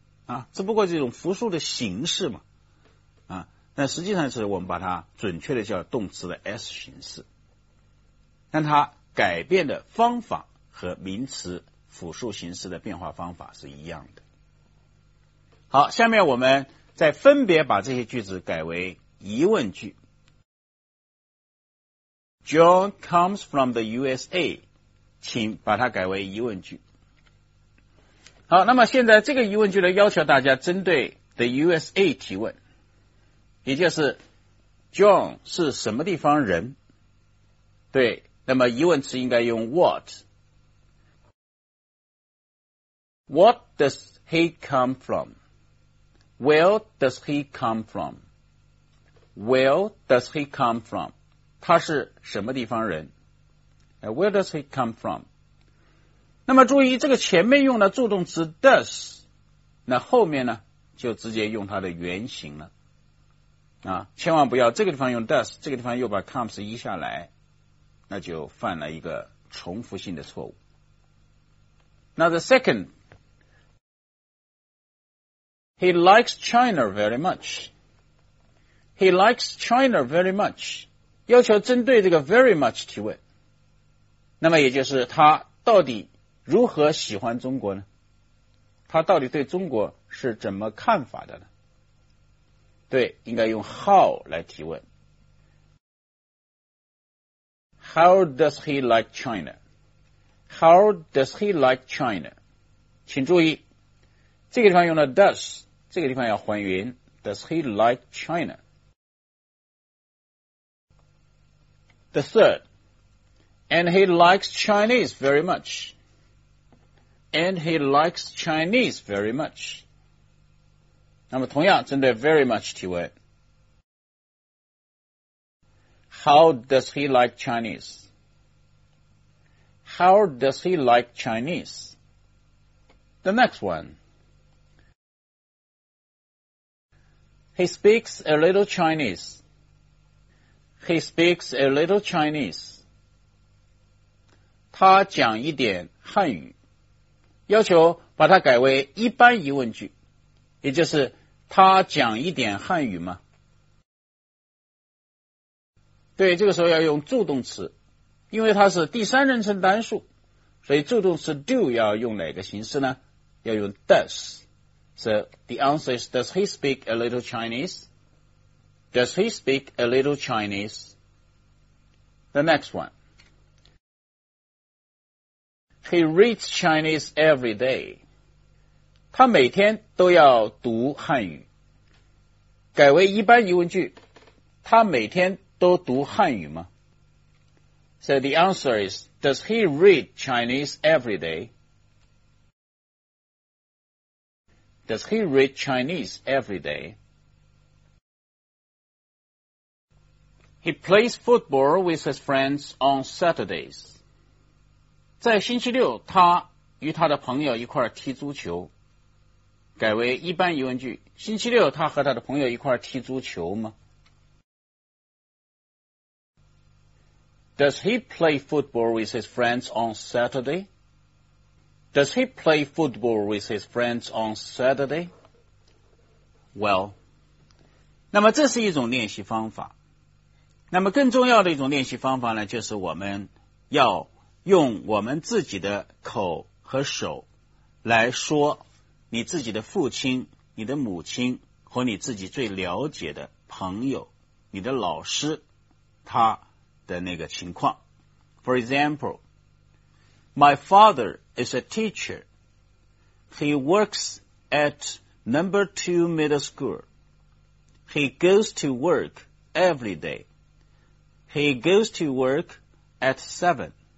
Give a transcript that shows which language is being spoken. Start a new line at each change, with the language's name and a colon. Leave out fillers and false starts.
Chinese: 啊，只不过这种复数的形式嘛，啊，但实际上是我们把它准确的叫动词的 S 形式，但它改变的方法和名词复数形式的变化方法是一样的。好，下面我们再分别把这些句子改为疑问句。
English: John comes from the USA，
Chinese: 请把它改为疑问句。好，那么现在这个疑问句呢，要求大家针对 the USA 提问，也就是 John 是什么地方人？对，那么疑问词应该用 what。
English: What does he come from? Where does he come from? Where does he come from?
Chinese: 他是什么地方人？
English: Where does he come from?
Chinese: 那么注意这个前面用的助动词 does， 那后面呢就直接用它的原形了，啊，千万不要这个地方用 does， 这个地方又把 comes 移下来，那就犯了一个重复性的错误。那
English: the second， he likes China very much，
Chinese: he likes China very much， 要求针对这个 very much 提问，那么也就是他到底如何喜欢中国呢？他到底对中国是怎么看法的呢？对，应该用 how 来提问。
English: How does he like China? How does he like China?
Chinese: 请注意，这个地方用了 does， 这个地方要还原
English: does he like China? The third， and he likes Chinese very much. And he likes Chinese very much.
Chinese: 那么同样针对 very much 提问。
English: How does he like Chinese? How does he like Chinese? The next one. He speaks a little Chinese. He speaks a little Chinese.
Chinese: 他讲一点汉语。要求把它改为一般疑问句，也就是他讲一点汉语吗？对，这个时候要用助动词，因为它是第三人称单数，所以助动词 do 要用哪个形式呢？要用 does。
English: So the answer is does he speak a little Chinese? Does he speak a little Chinese? The next oneHe reads Chinese every day.
Chinese: 他每天都要读汉语。改为一般疑问句，他每天都读汉语吗？
English: So the answer is, does he read Chinese every day? Does he read Chinese every day? He plays football with his friends on Saturdays.
Chinese: 在星期六，他与他的朋友一块踢足球。改为一般疑问句，星期六他和他的朋友一块踢足球吗？
English: Does he play football with his friends on Saturday? Does he play football with his friends on Saturday?
Chinese: Well, 那么这是一种练习方法。那么更重要的一种练习方法呢，就是我们要用我们自己的口和手来说你自己的父亲、你的母亲和你自己最了解的朋友、你的老师他的那个情况。
English: For example, My father is a teacher. He works at number 2 middle school. He goes to work every day. He goes to work at 7.